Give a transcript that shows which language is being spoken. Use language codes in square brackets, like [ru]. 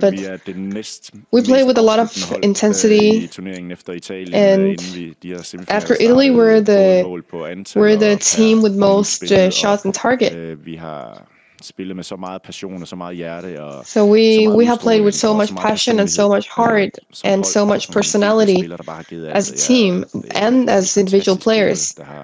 [en] But we played with a lot of intensity. And after Italy, we're the team with most shots on target. [da] Spille med så meget passion og så meget hjerte og. [en] So we have played with so much passion and so much heart and so much personality as a team and as individual players.